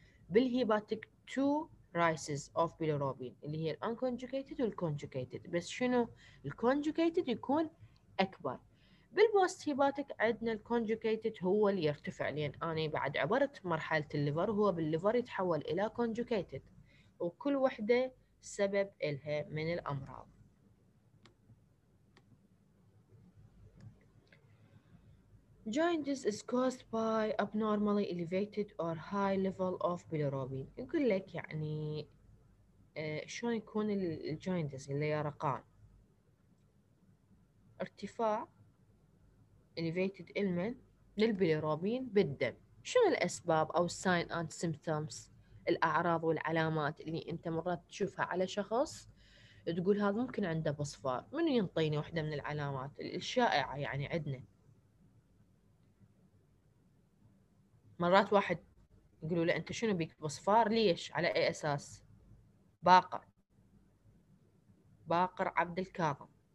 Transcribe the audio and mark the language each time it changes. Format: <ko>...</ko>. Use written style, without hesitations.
<ar>بالهيباتك تو</ar> <en>rises of bilirubin</en> <ar>اللي هي unconjugated والconjugated بس شنو الconjugated يكون أكبر. بالبوست هيباتك عندنا الconjugated هو اللي يرتفع لأن أنا بعد عبرت مرحلة الليفر هو بالليفر يتحول إلى conjugated وكل وحدة سبب إلها من الأمراض.</ar> <en>Jointes is caused by abnormally elevated or high level of bilirubin.</en> <ar>يقول لك يعني شلون يكون الجوينتس اللي يرقان ارتفاع elevated إلمن للبيلروبين بالدم. شنو الأسباب أو</ar> <en>sign and symptoms</en> <ar>الأعراض والعلامات اللي أنت مرات تشوفها على شخص تقول هذا ممكن عنده بصفار؟ من ينطيني واحدة من العلامات الشائعة يعني عندنا؟ مرات واحد يقولوا له انت شنو بيك بصفار ليش على اي اساس؟ باقر باقر عبد الكاظم.</ar>